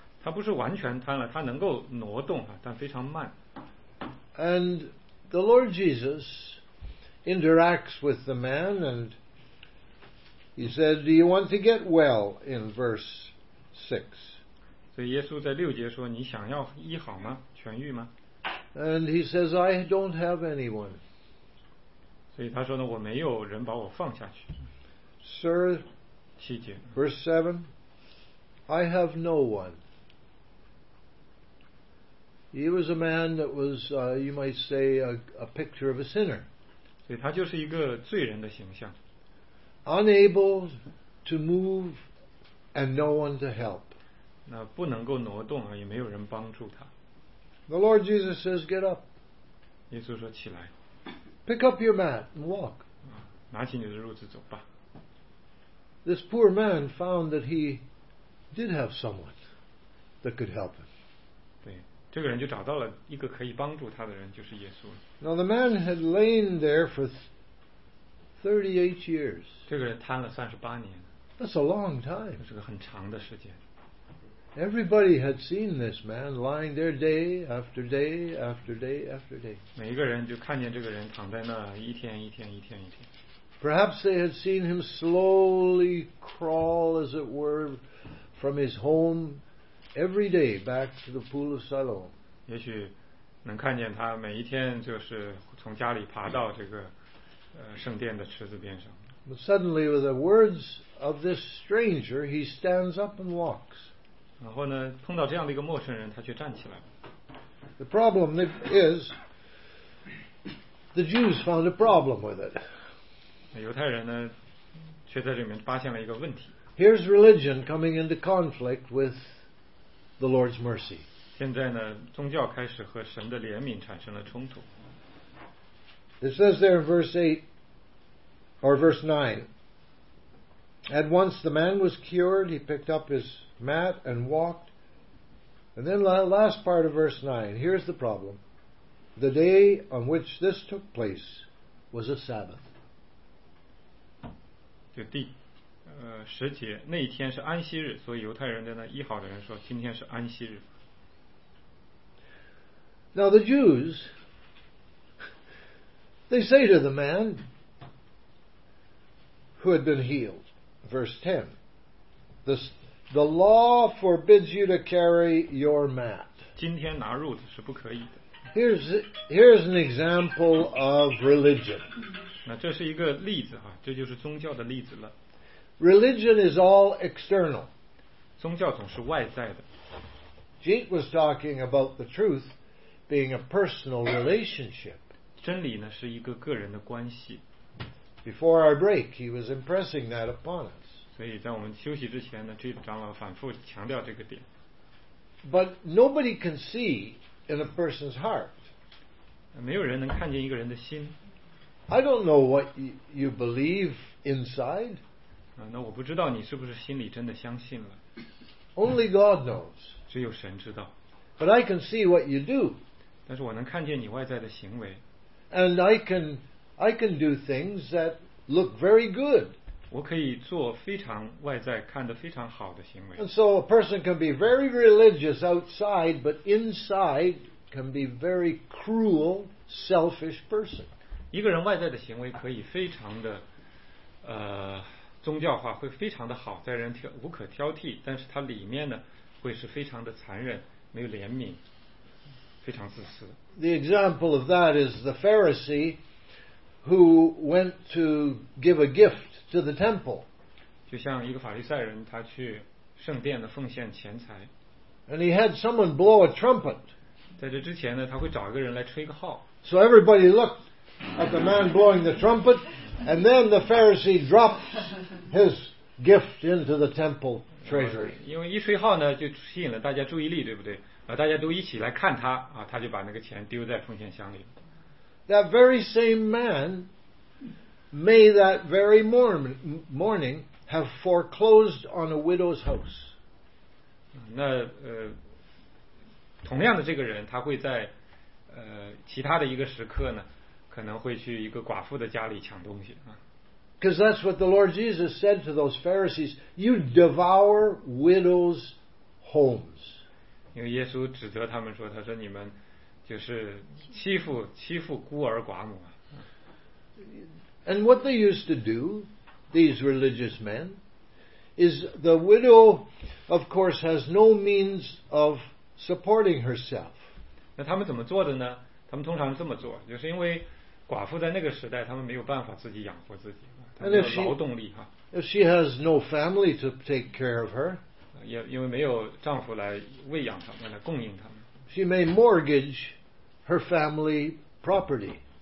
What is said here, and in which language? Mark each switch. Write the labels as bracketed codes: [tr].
[zh] 他不是完全瘫了，他能够挪动，但非常慢。 [en] And the Lord Jesus interacts with the man, and he said, "Do you want to get well?" In verse 6. [zh] 所以耶稣在六节说：“你想要医好吗？痊愈吗？” [en] And he says, "I don't have anyone." [zh] 所以他说呢，我没有人把我放下去。 [en] Sir, [zh] 七节 [en] verse 7, I have no one. He was a man that was, you might say, a picture of a sinner. [zh] 所以他就是一个罪人的形象。 [en] Unable to move and no one to help. [zh] 那不能够挪动，也没有人帮助他。 [en] The Lord Jesus says, get up. [zh] 耶稣说起来。 [en] Pick up your mat and walk. [zh] 拿起你的褥子走吧。 [en] This poor man found that he did have someone that could help him. [zh] 对，这个人就找到了一个可以帮助他的人，就是耶稣。 [en] Now the man had lain there for 38 years. [zh] 这个人瘫了38年。 [en] That's a long time. [zh] 这是个很长的时间。 [en] Everybody had seen this man lying there day after day after day after day. [zh] 每一个人就看见这个人躺在那一天一天一天一天。 [en] Perhaps they had seen him slowly crawl, as it were, from his home every day back to the pool of Siloam. [zh] 也许能看见他每一天就是从家里爬到这个圣殿的池子边上。 [en] But suddenly with the words of this stranger, he stands up and walks. [zh] 然后呢，碰到这样的一个陌生人，他却站起来。 [en] The problem is, the Jews found a problem with it. [zh] 犹太人呢，却在这里面发现了一个问题。 [en] Here's religion coming into conflict with the Lord's mercy. [zh] 现在呢，宗教开始和神的怜悯产生了冲突。 [en] It says there in verse 8,or verse 9, at once the man was cured, he picked up his mat and walked. And then the last part of verse 9, here's the problem. The day on which this took place was a Sabbath. [zh] 就第十节，那一天是安息日，所以犹太人的那医好的人说，今天是安息日。 [en] Now the Jews, they say to the man,who had been healed. Verse 10. The law forbids you to carry your mat. [zh] 今天拿褥子是不可以的。 [en] Here's an example of religion. [zh] 那这是一个例子哈，这就是宗教的例子了。 [en] Religion is all external. [zh] 宗教总是外在的。 [en] Jake was talking about the truth being a personal relationship. [zh] 真理呢，是一个个人的关系。 [en] Before our break, he was impressing that upon us. [zh] 所以在我们休息之前呢，这长老反复强调这个点。 [en] But nobody can see in a person's heart. [zh] 没有人能看见一个人的心。 [en] I don't know what you believe inside. [zh] 那我不知道你是不是心里真的相信了。 [en] Only God knows. [zh] 只有神知道。 [en] But I can see what you do. [zh] 但是我能看见你外在的行为。 [en] And I can do things that look very good. [zh] 我可以做非常外在看得非常好的行为。 [en] And so a person can be very religious outside, but inside can be very cruel, selfish person. [zh] 一个人外在的行为可以非常的宗教化，会非常的好，在人无可挑剔，但是他里面呢，会是非常的残忍，没有怜悯，非常自私。 [en] The example of that is the Pharisee. Who went to give a gift to the temple? [zh] 就像一个法利赛人，他去圣殿的奉献钱财。 [en] And he had someone blow a trumpet. [zh] 在这之前呢，他会找一个人来吹个号。 [en] So everybody looked at the man blowing the trumpet, and then the Pharisee dropped his gift into the temple treasury. [zh] 因为一吹号呢，就吸引了大家注意力，对不对？大家都一起来看他啊，他就把那个钱丢在奉献箱里。 [en] That very same man may that very morning have foreclosed on a widow's house. [zh] 那同样的这个人，他会在其他的一个时刻呢，可能会去一个寡妇的家里抢东西啊。 [en] Because that's what the Lord Jesus said to those Pharisees: "You devour widows' homes." [zh] 因为耶稣指责他们说，他说你们。就是欺负孤儿寡母。 [en] And what they used to do, these religious men, is the widow, of course, has no means of supporting herself. [zh] 那他们怎么做的呢？他们通常这么做，就是因为寡妇在那个时代，他们没有办法自己养活自己，他们没有劳动力哈。 [en] If she has no family to take care of her, [zh] 也因为没有丈夫来喂养他们，来供应他们。 [en] She may mortgage her family property.